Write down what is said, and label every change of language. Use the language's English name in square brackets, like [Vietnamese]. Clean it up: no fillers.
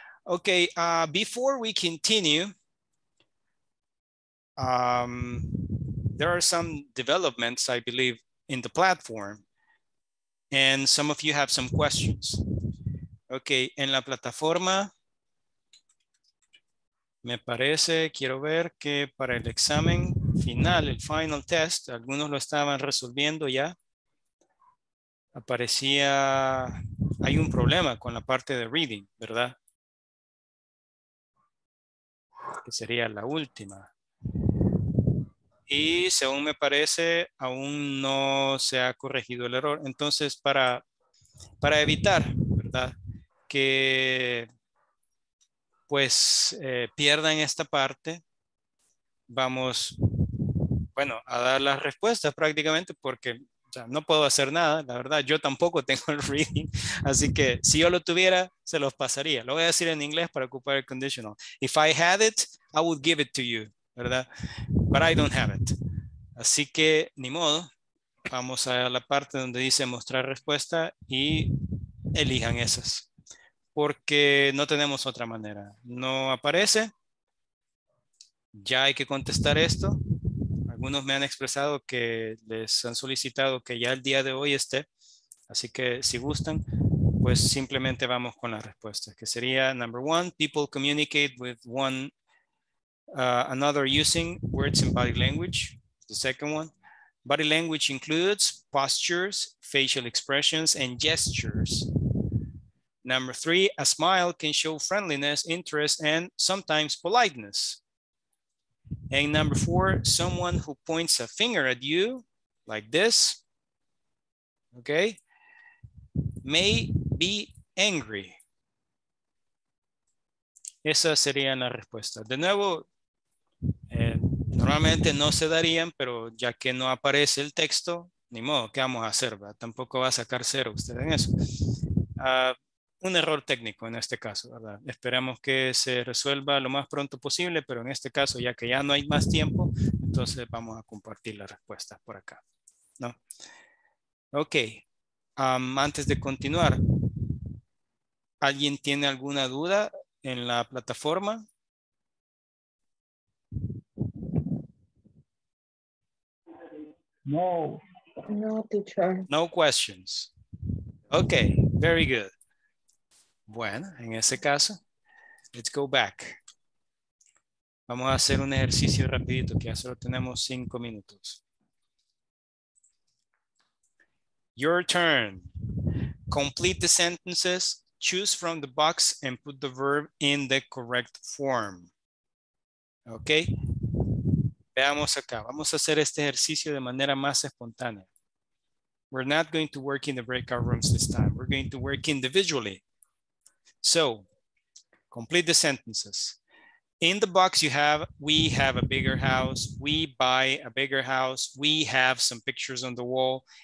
[English] Ok, before we continue, there are some developments, I believe, in the platform. And some of you have some questions. [Spanish] Okay, en la plataforma, me parece, quiero ver que para el examen final, el final test, algunos lo estaban resolviendo ya. Aparecía, hay un problema con la parte de reading, ¿verdad? Que sería la última. Y según me parece, aún no se ha corregido el error. Entonces, para evitar, ¿verdad?, que pues pierdan esta parte, vamos, bueno, a dar las respuestas prácticamente porque ya no puedo hacer nada. La verdad, yo tampoco tengo el reading. Así que si yo lo tuviera, se los pasaría. Lo voy a decir en inglés para ocupar el conditional. [English] If I had it, I would give it to you, ¿verdad? But I don't have it. [Spanish] Así que, ni modo, vamos a la parte donde dice mostrar respuesta y elijan esas. Porque no tenemos otra manera. No aparece. Ya hay que contestar esto. Algunos me han expresado que les han solicitado que ya el día de hoy esté. Así que, si gustan, pues simplemente vamos con las respuestas. Que sería, [English] number one, people communicate with one another using words in body language, the second one. Body language includes postures, facial expressions, and gestures. Number three, a smile can show friendliness, interest, and sometimes politeness. And number four, someone who points a finger at you, like this, okay, may be angry. [Spanish] Esa sería la respuesta. De nuevo, normalmente no se darían, pero ya que no aparece el texto, ni modo, ¿qué vamos a hacer? ¿Verdad? Tampoco va a sacar cero usted en eso. Un error técnico en este caso, ¿verdad? Esperamos que se resuelva lo más pronto posible, pero en este caso, ya que ya no hay más tiempo, entonces vamos a compartir las respuestas por acá, ¿no? Ok, antes de continuar, ¿alguien tiene alguna duda en la plataforma? [English] No, no teacher. No questions. Okay, very good. [Spanish] Bueno, en ese caso, [English] let's go back. [Spanish] Vamos a hacer un ejercicio rapidito que ya solo tenemos 5 minutos. [English] Your turn. Complete the sentences, choose from the box and put the verb in the correct form. [Spanish] Okay? Veamos acá. Vamos a hacer este ejercicio de manera más espontánea. [English] We're not going to work in the breakout rooms this time. We're going to work individually. So, complete the sentences. In the box you have, we have a bigger house. We buy a bigger house. We have some pictures on the wall.